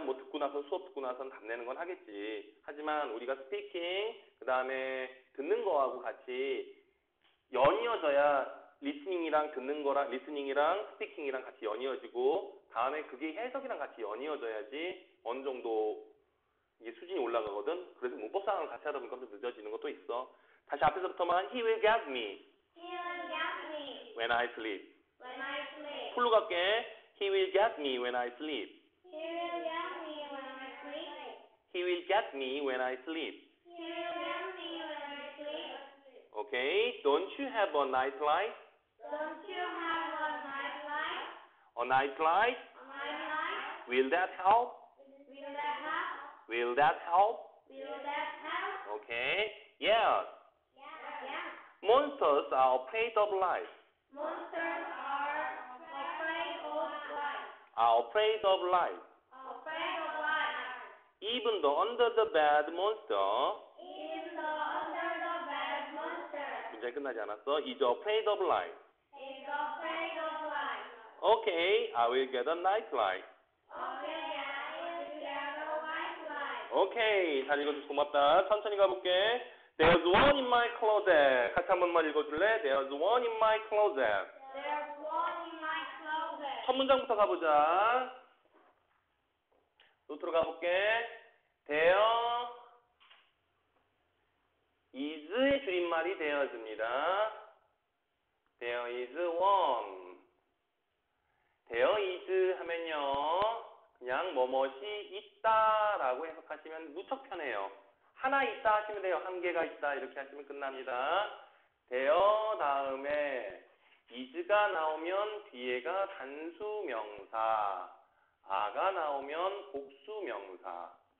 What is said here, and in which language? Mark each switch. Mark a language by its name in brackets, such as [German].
[Korean] 뭐 듣고 나서 수업 듣고 나서는 답내는 건 하겠지. 하지만 우리가 스피킹 그 다음에 듣는 거하고 같이 연이어져야 리스닝이랑 듣는 거랑 리스닝이랑 스피킹이랑 같이 연이어지고 다음에 그게 해석이랑 같이 연이어져야지 어느 정도 이게 수준이 올라가거든. 그래서 문법 상황을 같이 하다 보니까 좀 늦어지는 것도 있어. 다시 앞에서부터만 [English] He will get me. He will get me. When I sleep. When I sleep. [Korean] 풀로 갈게. [English] He will get me when I sleep. He will get me when I sleep. He will get me when I sleep. He will get me when I sleep. Okay. Don't you have a nightlight? Don't you have a nightlight? A nightlight? A nightlight. Will that help? Will that help? Will that help? Will that help? Okay. Yeah. Yeah. Monsters are afraid of light. Monsters are afraid of light. Are afraid of light. Afraid of light. Even the under the bed monster. Even the under the bed monster. [Korean] 문제 끝나지 않았어. [English] Is afraid of light. Is afraid of light. Okay, I will get a night light. Okay, I will get a night light. [Korean] Okay, 잘 읽어주셔서 고맙다. 천천히 가볼게. [English] There's one in my closet. [Korean] 같이 한 번만 읽어줄래? [English] There's one in my closet. There's one in my closet. [Korean] 첫 문장부터 가보자. 노트로 가볼게. There is의 줄임말이 there's입니다. [English] There is one. [Korean] There is 하면요. 그냥 뭐뭐이 있다 라고 해석하시면 무척 편해요. 하나 있다 하시면 돼요. 한 개가 있다 이렇게 하시면 끝납니다. There 다음에 is가 나오면 뒤에가 단수명사, 아가 나오면 복수명사.